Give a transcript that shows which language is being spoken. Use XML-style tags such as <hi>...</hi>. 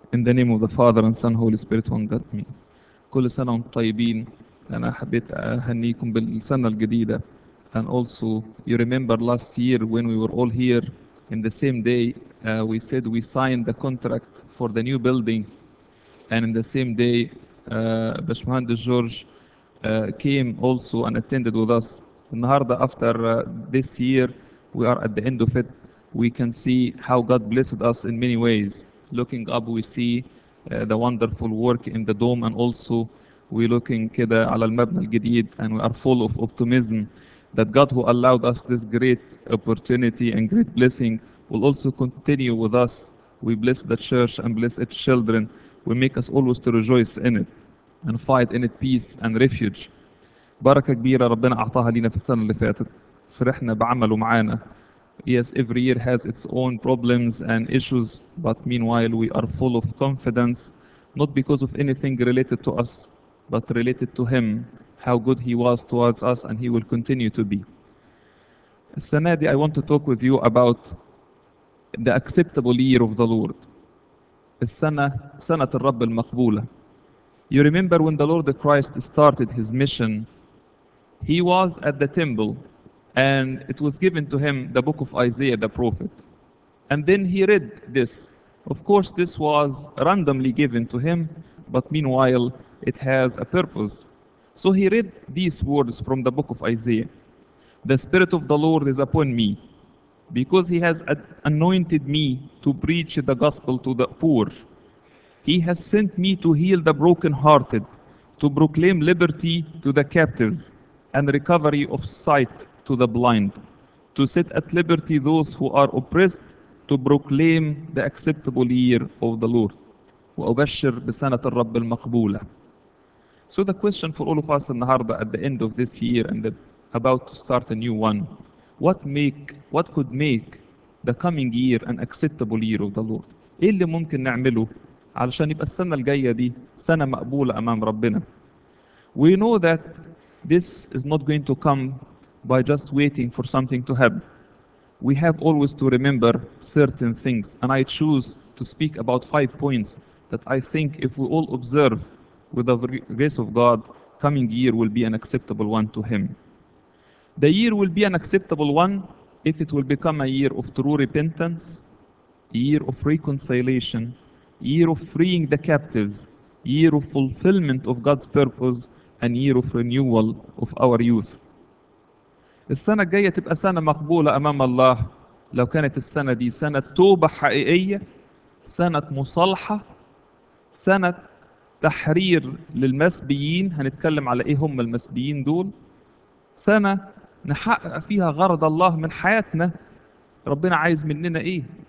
<en>In the name of the Father and Son, Holy Spirit, one God, me.</en> <ar>كل سنة وانتم طيبين. أنا حبيت أهنيكم بالسنة الجديدة.</ar> <en>And also, you remember last year when we were all here in the same day, we said we signed the contract for the new building. And in the same day, باشمهندس George came also and attended with us.</en> <ar>النهاردة,</ar> <en>after this year, we are at the end of it. We can see how God blessed us in many ways. Looking up, we see the wonderful work in the dome, and also we're looking</en> <ar>كده على المبنى الجديد,</ar> <en>and we are full of optimism that God, who allowed us this great opportunity and great blessing, will also continue with us. We bless the church and bless its children. We make us always to rejoice in it and find in it peace and refuge.</en> <ar>بركة كبيرة ربنا أعطاها لنا في السنة اللي فاتت. فرحنا بعمله معانا.</ar> <en>Yes, every year has its own problems and issues, but meanwhile we are full of confidence, not because of anything related to us, but related to Him, how good He was towards us and He will continue to be.</en> <ar>السنة دي,</ar> <en>I want to talk with you about the acceptable year of the Lord.</en> <ar>السنة, سنة الرب المقبولة.</ar> <en>You remember when the Lord Christ started His mission, He was at the temple. And it was given to him the book of Isaiah, the prophet. And then he read this. Of course, this was randomly given to him, but meanwhile, it has a purpose. So he read these words from the book of Isaiah. The Spirit of the Lord is upon me, because he has anointed me to preach the gospel to the poor. He has sent me to heal the brokenhearted, to proclaim liberty to the captives, and recovery of sight to the blind, to set at liberty those who are oppressed, to proclaim the acceptable year of the Lord.</en> <ar>وأبشر بسنة الرب المقبولة.</ar> <en>So the question for all of us in</en> <ar>النهاردة,</ar> <en>at the end of this year and about to start a new one, what could make the coming year an acceptable year of the Lord?</en> <ar>إيه اللي ممكن نعمله علشان يبقى السنة الجاية دي سنة مقبولة أمام ربنا?</ar> <en>We know that this is not going to come by just waiting for something to happen. We have always to remember certain things, and I choose to speak about 5 points that I think if we all observe with the grace of God, coming year will be an acceptable one to Him. The year will be an acceptable one if it will become a year of true repentance, year of reconciliation, year of freeing the captives, year of fulfillment of God's purpose, and year of renewal of our youth.</en> <ar>السنة الجاية تبقى سنة مقبولة أمام الله لو كانت السنة دي سنة توبة حقيقية, سنة مصالحة, سنة تحرير للمسبيين. هنتكلم على إيه هم المسبيين دول. سنة نحقق فيها غرض الله من حياتنا, ربنا عايز مننا إيه.</ar>